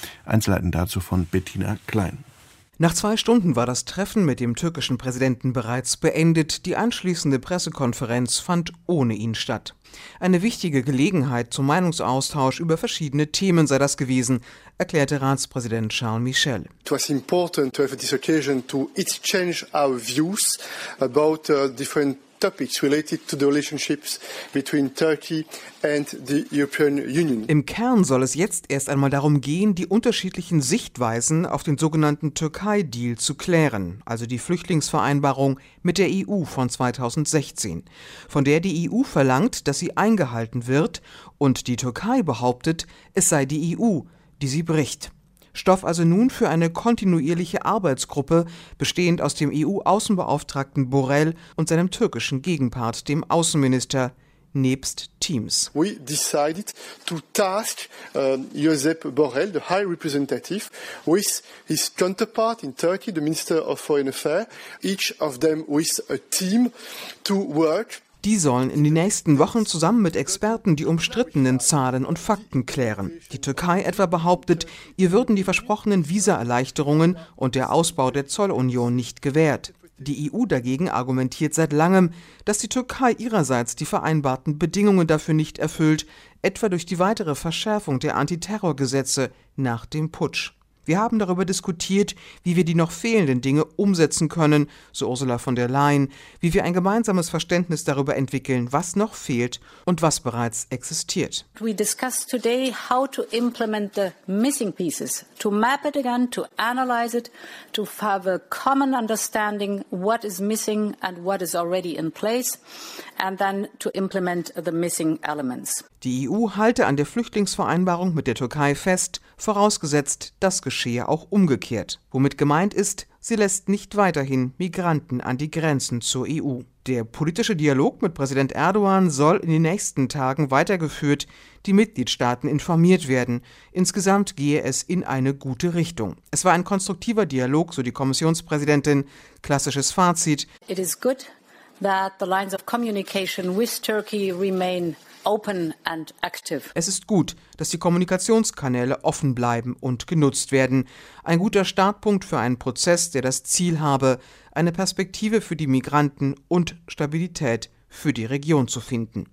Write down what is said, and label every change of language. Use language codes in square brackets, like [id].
[de] Einzelheiten dazu von Bettina Klein. Nach 2 Stunden war das Treffen mit dem türkischen Präsidenten bereits beendet. Die anschließende Pressekonferenz fand ohne ihn statt. Eine wichtige Gelegenheit zum Meinungsaustausch über verschiedene Themen sei das gewesen, erklärte Ratspräsident Charles Michel. [en] It was important to have this occasion to exchange our views about different topics related to the relationships between Turkey and the European Union. [de] Im Kern soll es jetzt erst einmal darum gehen, die unterschiedlichen Sichtweisen auf den sogenannten Türkei-Deal zu klären, also die Flüchtlingsvereinbarung mit der EU von 2016, von der die EU verlangt, dass sie eingehalten wird und die Türkei behauptet, es sei die EU, die sie bricht. Stoff also nun für eine kontinuierliche Arbeitsgruppe, bestehend aus dem EU-Außenbeauftragten Borrell und seinem türkischen Gegenpart, dem Außenminister, nebst Teams. [en] We decided to task Josep Borrell, the high representative, with his counterpart in Turkey, the Minister of Foreign Affairs, each of them with a team to work. [de] Die sollen in den nächsten Wochen zusammen mit Experten die umstrittenen Zahlen und Fakten klären. Die Türkei etwa behauptet, ihr würden die versprochenen Visaerleichterungen und der Ausbau der Zollunion nicht gewährt. Die EU dagegen argumentiert seit langem, dass die Türkei ihrerseits die vereinbarten Bedingungen dafür nicht erfüllt, etwa durch die weitere Verschärfung der Antiterrorgesetze nach dem Putsch. Wir haben darüber diskutiert, wie wir die noch fehlenden Dinge umsetzen können, so Ursula von der Leyen, wie wir ein gemeinsames Verständnis darüber entwickeln, was noch fehlt und was bereits existiert. [en] We discussed today how to implement the missing pieces, to map it again, to analyze it, to have a common understanding what is missing and what is already in place and then to implement the missing elements. [de] Die EU halte an der Flüchtlingsvereinbarung mit der Türkei fest, vorausgesetzt, das geschehe auch umgekehrt. Womit gemeint ist, sie lässt nicht weiterhin Migranten an die Grenzen zur EU. Der politische Dialog mit Präsident Erdogan soll in den nächsten Tagen weitergeführt, die Mitgliedstaaten informiert werden. Insgesamt gehe es in eine gute Richtung. Es war ein konstruktiver Dialog, so die Kommissionspräsidentin. Klassisches Fazit. [en] It is good that the lines of communication with Turkey remain open and active. [de] Es ist gut, dass die Kommunikationskanäle offen bleiben und genutzt werden. Ein guter Startpunkt für einen Prozess, der das Ziel habe, eine Perspektive für die Migranten und Stabilität für die Region zu finden.